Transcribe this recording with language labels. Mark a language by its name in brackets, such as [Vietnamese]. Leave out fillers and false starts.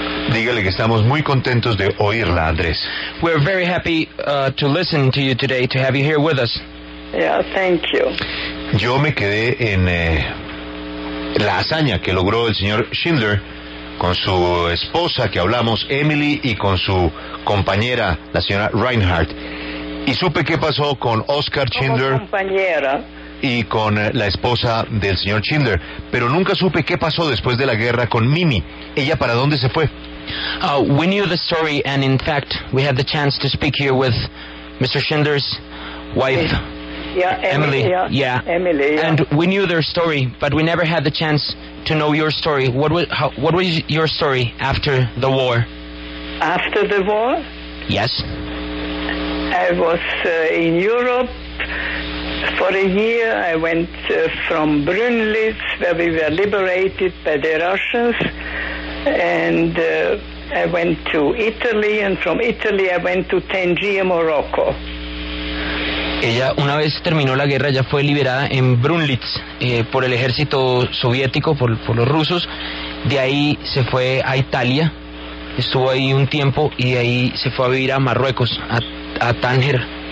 [Spanish] Dígale que estamos muy contentos de oírla, Andrés. [English] We're very happy to listen to you today, to have you here with us. Yeah, thank you. [Spanish] Yo me quedé en la hazaña que logró el señor Schindler con su esposa, que hablamos, Emily, y con su compañera, la señora Reinhardt. Y supe qué pasó con Oscar Schindler. Como compañera. Y con la esposa del señor Schindler. Pero nunca supe qué pasó después de la guerra con Mimi. ¿Ella para dónde se fue? [English] We knew the story, and in fact, we had the chance to speak here with Mr. Schindler's wife, Emily. Yeah. Emily, yeah. And we knew their story, but we never had the chance to know your story. What was your story after the war? After the war? Yes. I was in Europe. For a year, I went from Brünnlitz, where we were liberated by the Russians, and I went to Italy, and from Italy I went to Tangier, Morocco. [Spanish] Ella, una vez terminó la guerra, ya fue liberada en Brünnlitz por el ejército soviético, por los rusos. De ahí se fue a Italia, estuvo ahí un tiempo, y de ahí se fue a vivir a Marruecos, a Tánger.